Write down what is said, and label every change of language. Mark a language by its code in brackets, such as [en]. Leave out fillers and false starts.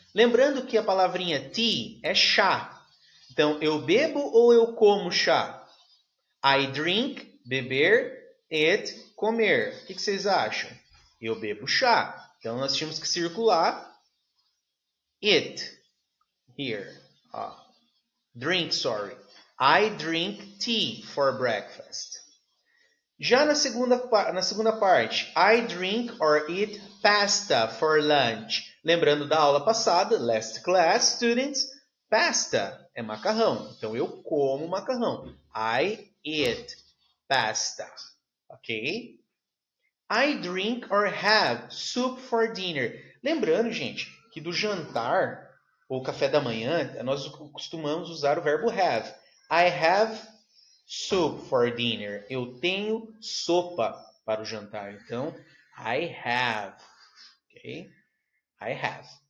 [pt] Lembrando que a palavrinha tea é chá. Então, eu bebo ou eu como chá? [en] I drink, [pt] beber, it, comer. O que vocês acham? Eu bebo chá. Então, nós tínhamos que circular it here. [en] Ó. Drink, sorry. I drink tea for breakfast. [pt] Já na segunda parte, [en] I drink or eat pasta for lunch. [pt] Lembrando da aula passada, last class, students, pasta é macarrão. Então eu como macarrão. [en] I eat pasta. [pt] Ok? [en] I drink or have soup for dinner. [pt] Lembrando, gente, que do jantar ou café da manhã, nós costumamos usar o verbo have. [en] I have soup for dinner. [pt] Eu tenho sopa para o jantar. Então, [en] I have. Ok? I have.